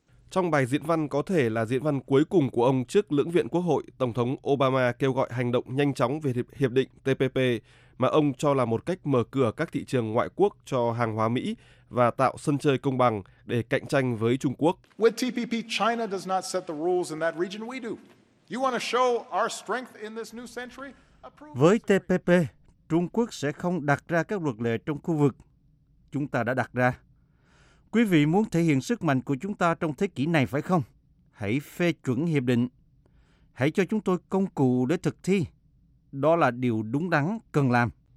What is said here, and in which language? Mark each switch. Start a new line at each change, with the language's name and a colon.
Vietnamese: Trong bài diễn văn có thể là diễn văn cuối cùng của ông trước Lưỡng viện Quốc hội, Tổng thống Obama kêu gọi hành động nhanh chóng về hiệp định TPP mà ông cho là một cách mở cửa các thị trường ngoại quốc cho hàng hóa Mỹ và tạo sân chơi công bằng để cạnh tranh với Trung Quốc.
English: With TPP, China does not set the rules in that region, we do. You want to show our strength in this new century?
Vietnamese: Với TPP, Trung Quốc sẽ không đặt ra các luật lệ trong khu vực chúng ta đã đặt ra. Quý vị muốn thể hiện sức mạnh của chúng ta trong thế kỷ này phải không? Hãy phê chuẩn hiệp định. Hãy cho chúng tôi công cụ để thực thi. Đó là điều đúng đắn cần làm.